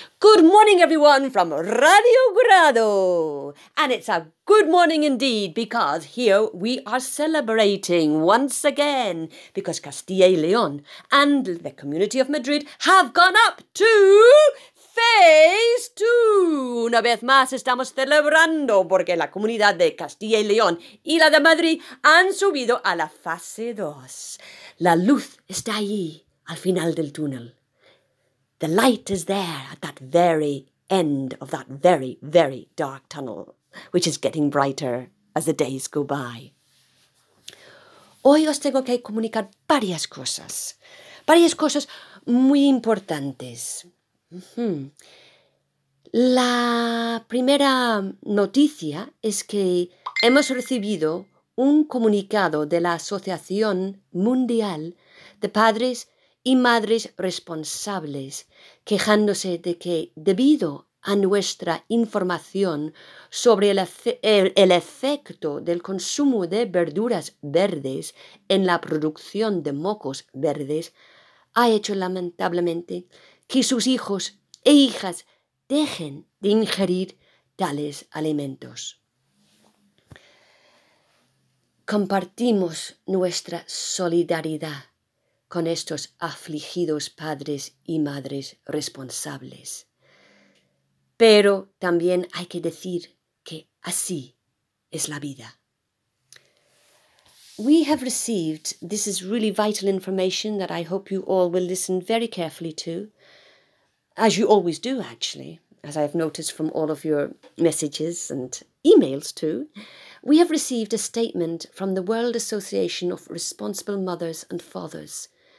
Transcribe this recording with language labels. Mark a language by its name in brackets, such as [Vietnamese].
[English] Good morning, everyone, from Radio Grado. And it's a good morning indeed, because here we are celebrating once again, because Castilla y León and the Community of Madrid have gone up to Phase 2. [Spanish] Una vez más estamos celebrando porque la comunidad de Castilla y León y la de Madrid han subido a la fase 2. La luz está allí, al final del túnel. [English] The light is there at that very end of that very, very dark tunnel, which is getting brighter as the days go by. [Spanish] Hoy os tengo que comunicar varias cosas muy importantes. La primera noticia es que hemos recibido un comunicado de la Asociación Mundial de Padres y Madres Responsables quejándose de que, debido a nuestra información sobre el efecto del consumo de verduras verdes en la producción de mocos verdes, ha hecho lamentablemente que sus hijos e hijas dejen de ingerir tales alimentos. Compartimos nuestra solidaridad con estos afligidos padres y madres responsables. Pero también hay que decir que así es la vida. [English] We have received, this is really vital information that I hope you all will listen very carefully to, as you always do, actually, as I have noticed from all of your messages and emails too, we have received a statement from the World Association of Responsible Mothers and Fathers